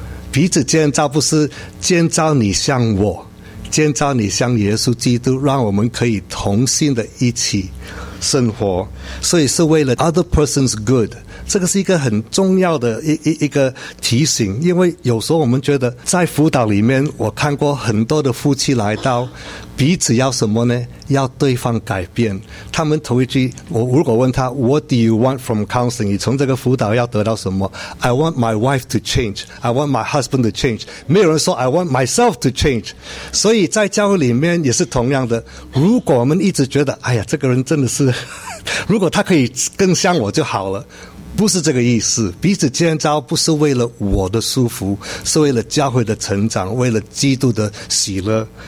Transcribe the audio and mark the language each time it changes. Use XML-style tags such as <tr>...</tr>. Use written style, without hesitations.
<zh>彼此建造不是建造你像我，建造你像耶稣基督，让我们可以同心的一起生活，所以是为了</zh> <en>other person's good。</en> <zh>这个是一个很重要的一个提醒。因为有时候我们觉得在辅导里面，我看过很多的夫妻来到，彼此要什么呢？要对方改变。他们头一句，我如果问他</zh> <en>What do you want from counseling?</en> <zh>你从这个辅导要得到什么？</zh> <en>I want my wife to change. I want my husband to change.</en> <zh>没有人说</zh> <en>I want myself to change.</en> <zh>所以在教会里面也是同样的，如果我们一直觉得哎呀，这个人真的是，如果他可以更像我就好了，不是这个意思，彼此建造不是为了我的舒服，是为了教会的成长，为了基督的喜乐。</zh>